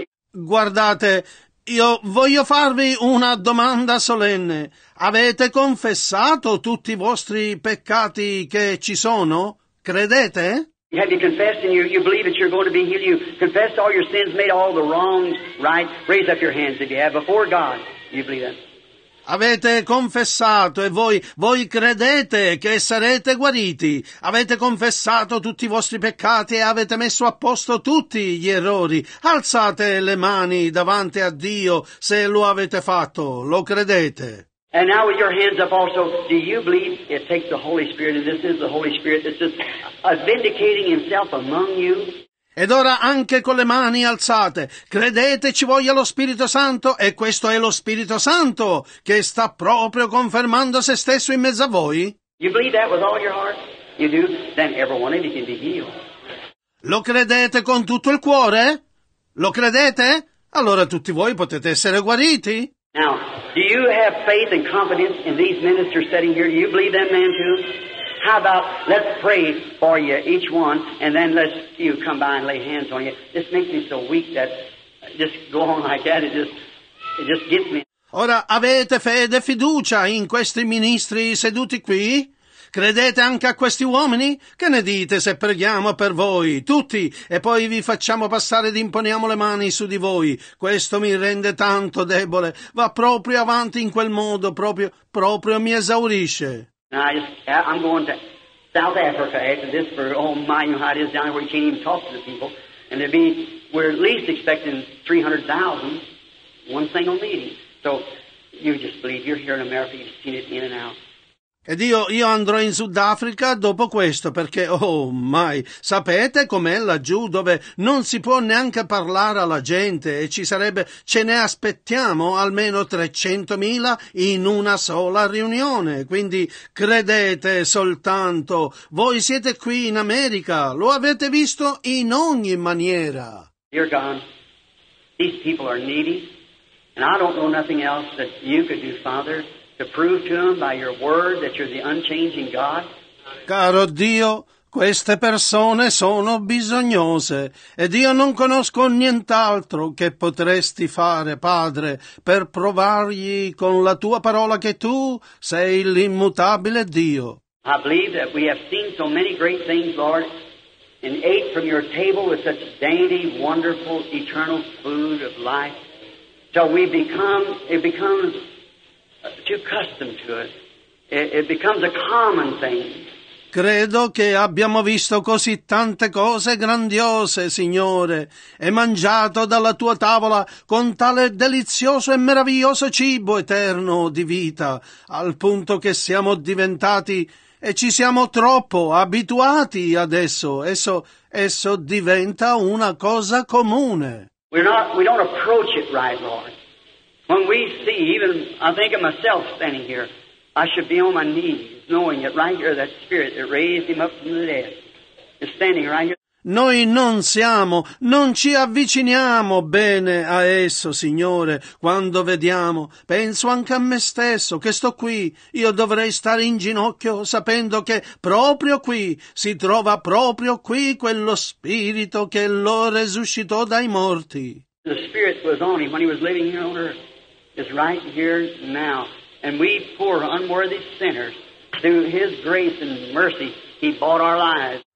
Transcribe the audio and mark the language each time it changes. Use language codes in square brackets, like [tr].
[it] Guardate, io voglio farvi una domanda solenne. Avete confessato tutti i vostri peccati che ci sono? Credete? [en] Have you confessed and you believe that you're going to be healed? You confessed all your sins, made all the wrongs right? Raise up your hands if you have before God. You believe that? [it] Avete confessato e voi credete che sarete guariti? Avete confessato tutti i vostri peccati e avete messo a posto tutti gli errori? Alzate le mani davanti a Dio se lo avete fatto, lo credete? [en] And now with your hands up also, do you believe it takes the Holy Spirit, and this is the Holy Spirit that's just vindicating himself among you? [it] Ed ora anche con le mani alzate, credete ci voglia lo Spirito Santo? E questo è lo Spirito Santo che sta proprio confermando se stesso in mezzo a voi? [en] You believe that with all your heart? You do? Then everyone can be healed. [it] Lo credete con tutto il cuore? Lo credete? Allora tutti voi potete essere guariti. [en] Now, do you have faith and confidence in these ministers sitting here? Do you believe that man too? How about let's pray for you, each one, and then let's you come by and lay hands on you. This makes me so weak that just go on like that. It just gets me. [it] Ora avete fede e fiducia in questi ministri seduti qui? Credete anche a questi uomini? Che ne dite se preghiamo per voi, tutti, e poi vi facciamo passare ed imponiamo le mani su di voi? Questo mi rende tanto debole. Va proprio avanti in quel modo, proprio mi esaurisce. [en] I'm going to South Africa after this for, oh my, you know how it is down there where you can't even talk to the people. And we're at least expecting 300,000, one single meeting. So you just believe, you're here in America, you've seen it in and out. [it] Ed io andrò in Sudafrica dopo questo, perché, oh mai, sapete com'è laggiù dove non si può neanche parlare alla gente e ce ne aspettiamo almeno 300,000 in una sola riunione. Quindi credete soltanto, voi siete qui in America, lo avete visto in ogni maniera. [en] Dear God, these people are needy, and I don't know nothing else that you could do, Father, to prove to them by your word that you're the unchanging God. [it] Caro Dio, queste persone sono bisognose ed io non conosco nient'altro che potresti fare, Padre, per provargli con la tua parola che tu sei l'immutabile Dio. [en] I believe that we have seen so many great things, Lord, and ate from your table with such dainty, wonderful, eternal food of life, till we become, it becomes too accustomed to it. It becomes a common thing. [it] Credo che abbiamo visto così tante cose grandiose, Signore, e mangiato dalla tua tavola con tale delizioso e meraviglioso cibo eterno di vita, al punto che siamo diventati e ci siamo troppo abituati adesso. Esso diventa una cosa comune. [en] We don't approach it right, Lord. When we see, even I think of myself standing here, I should be on my knees, knowing that right here that Spirit that raised him up from the dead is standing right here. [it] Noi non siamo, non ci avviciniamo bene a esso, Signore, quando vediamo. Penso anche a me stesso, che sto qui. Io dovrei stare in ginocchio, sapendo che proprio qui, si trova proprio qui quello Spirito che lo resuscitò dai morti. [en] The Spirit was on him when he was living here on earth. It's right here now. And we poor unworthy sinners, through his grace and mercy, he bought our lives.